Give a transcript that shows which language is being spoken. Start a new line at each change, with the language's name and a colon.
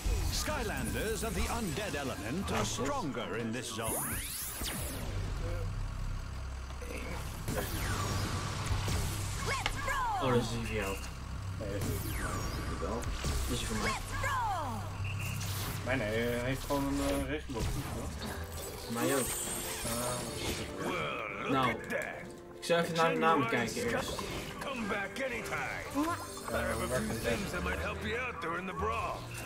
English: Skylanders of the undead element are stronger in this zone. Let's roll!
Dutch: Oh, dat is een video. Nee, dat is voor mij.
English: Let's roll!
Dutch: Mijn heeft gewoon een regenboog. Mij ook. Nou, ik zou even naar de naam kijken eerst.
English: Come back anytime. There are a few things that might help you out during the brawl.